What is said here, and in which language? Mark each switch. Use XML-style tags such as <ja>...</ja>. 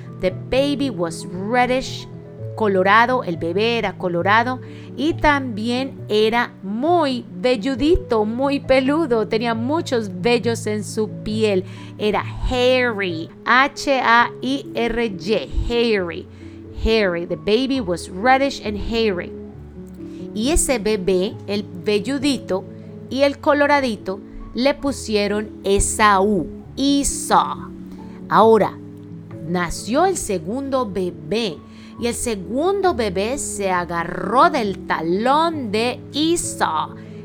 <en>The baby was reddish, colorado.</en> <es>El bebé era colorado. Y también era muy velludito, muy peludo. Tenía muchos vellos en su piel.</es> <en>Era hairy. H-A-I-R-Y. Hairy. Hairy. The baby was reddish and hairy.</en> <es>Y ese bebé, el velludito y el coloradito, le pusieron Esaú. Esau. Ahora, nació el segundo bebé. Y el segundo bebé se agarró del talón de Esau.</es>